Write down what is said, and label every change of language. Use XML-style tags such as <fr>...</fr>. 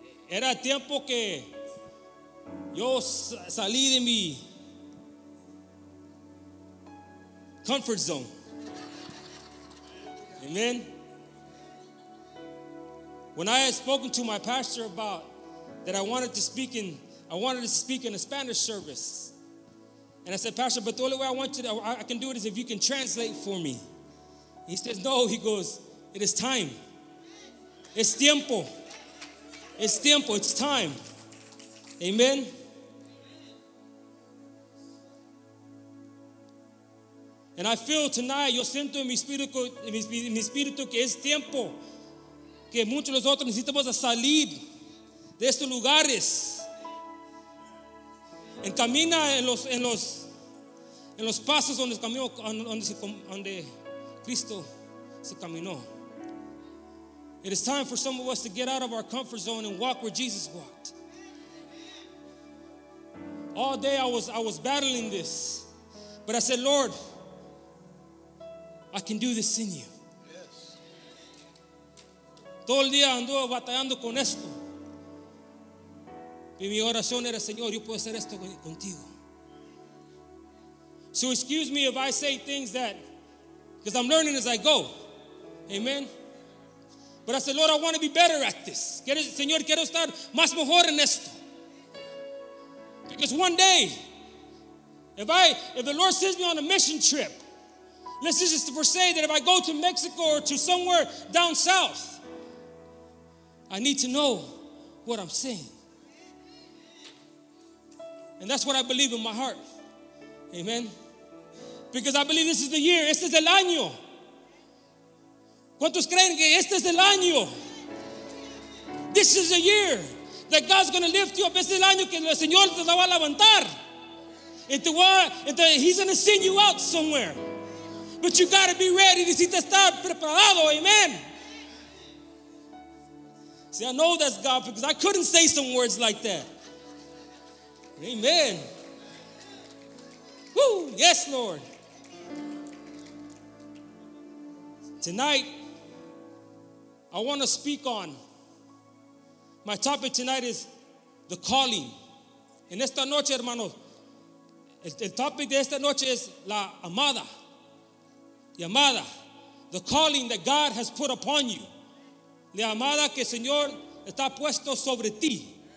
<es>Era tiempo que yo salí de mi comfort zone. Amen.</es> <en>When I had spoken to my pastor about that I wanted to speak in a Spanish service. And I said, Pastor, but the only way I can do it is if you can translate for me. He says, no. He goes, it is time.</en> <es>Es tiempo. Es tiempo.</es> <en>It's time. Amen. And I feel tonight,</en> <es>yo siento en mi espíritu que es tiempo. Que muchos de nosotros necesitamos salir de estos lugares. En camina en los pasos donde caminó, donde Cristo se caminó.</es> <en>It is time for some of us to get out of our comfort zone and walk where Jesus walked. All day I was battling this, but I said, Lord, I can do this in you.</en> <es>Todo el día ando batallando con esto. Y mi oración era, Señor, yo puedo hacer esto contigo.</es> <en>So excuse me if I say things that, because I'm learning as I go. Amen. But I said, Lord, I want to be better at this.</en> <es>Señor, quiero estar más mejor en esto.</es> <en>Because one day, if the Lord sends me on a mission trip, this is just for say that if I go to Mexico or to somewhere down south, I need to know what I'm saying. And that's what I believe in my heart. Amen. Because I believe this is the year.</en> <es>Este es el año. ¿Cuántos creen que este es el año?</es> <en>This is the year that God's going to lift you up.</en> <es>Este es el año que el Señor te va a levantar.</es> <en>He's going to send you out somewhere. But you got to be ready.</en> <es>Necesitas estar preparado. Amen.</es> <en>See, I know that's God because I couldn't say some words like that. Amen. Woo, yes, Lord. Tonight, I want to speak on, my topic tonight is the calling.</en> <es>En esta noche, hermano, el topic de esta noche es la amada. Llamada.</es> <en>The calling that God has put upon you.</en> <es>La amada que Señor está puesto sobre ti.</es>